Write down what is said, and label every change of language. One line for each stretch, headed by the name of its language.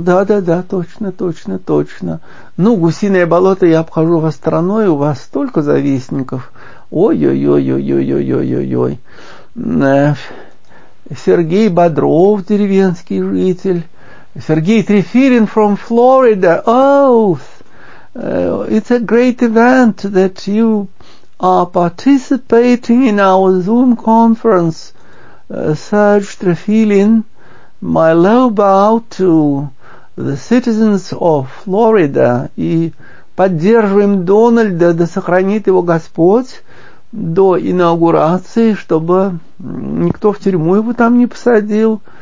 Russian: Да-да-да, точно. Ну, гусиное болото я обхожу вас стороной, у вас столько завистников. Ой-ой-ой-ой-ой-ой-ой-ой-ой. Сергей Бодров, деревенский житель. Сергей Трифирин
English: from Florida. Oh, it's a great event that you are participating in our Zoom conference. Serge Trifirin, my low bow to the citizens of Florida.
Russian: И поддерживаем Дональда, да сохранит его Господь, до инаугурации, чтобы никто в тюрьму его там не посадил.